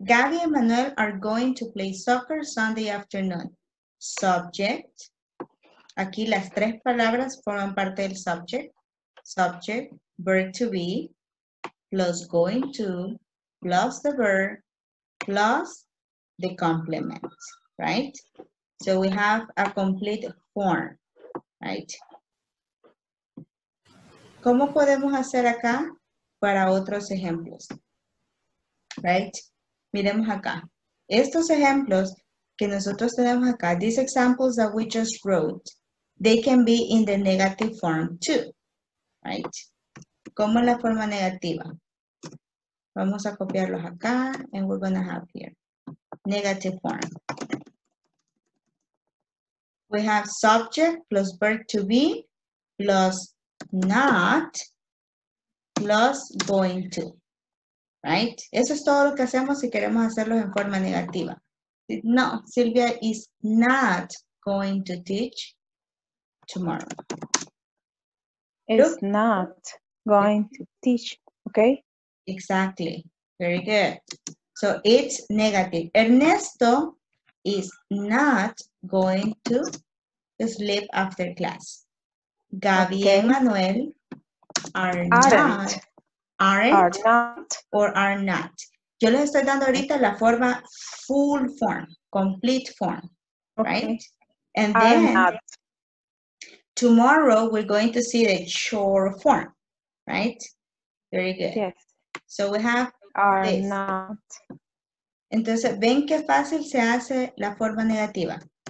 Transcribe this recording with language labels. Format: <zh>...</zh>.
<en>Gabby and Manuel are going to play soccer Sunday afternoon. Subject.</en> <es>Aquí las tres palabras forman parte del subject.</es> <en>Subject. Verb to be. Plus going to. Plus the verb. Plus the complement. Right? So we have a complete form, right?</en> <es>¿Cómo podemos hacer acá para otros ejemplos? Right? Miremos acá. Estos ejemplos que nosotros tenemos acá,</es> <en>these examples that we just wrote, they can be in the negative form too, right?</en> <es>¿Cómo en la forma negativa? Vamos a copiarlos acá</es> <en>and we're going to have here. Negative form. We have subject plus verb to be plus not plus going to, right?</en> <es>Eso es todo lo que hacemos si queremos hacerlo en forma negativa.</es> <en>No, Silvia is not going to teach tomorrow. It's not going to teach, okay? Exactly. Very good. So it's negative. Ernesto is not going to sleep after class. Gabby okay. And Manuel are not.</en> <es>Yo les estoy dando ahorita la forma</es> <en>full form, complete form, okay. Right? And then not. Tomorrow we're going to see the short form, right? Very good. Yes. So we have are this. Not.</en> <es>Entonces, ven qué fácil se hace la forma negativa.</es>